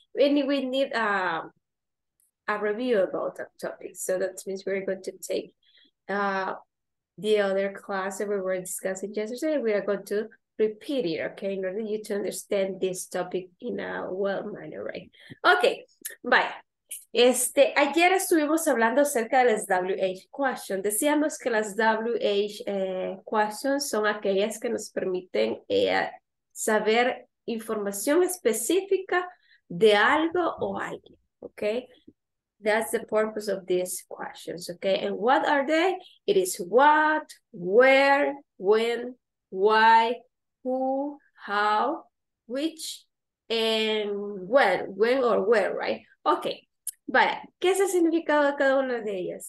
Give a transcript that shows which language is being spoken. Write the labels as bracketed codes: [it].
[en] We need a review about that topic. So that means we're going to take the other class that we were discussing yesterday. We are going to repeat it, okay, in order you to understand this topic in a well manner, right? Okay, bye. [es] Ayer estuvimos hablando acerca de las WH questions. Decíamos que las WH questions son aquellas que nos permiten saber información específica de algo o alguien, okay? [en] That's the purpose of these questions, okay? And what are they? It is what, where, when, why, who, how, which, and when or where, right? [es] Okay, vaya, ¿qué es el significado de cada una de ellas?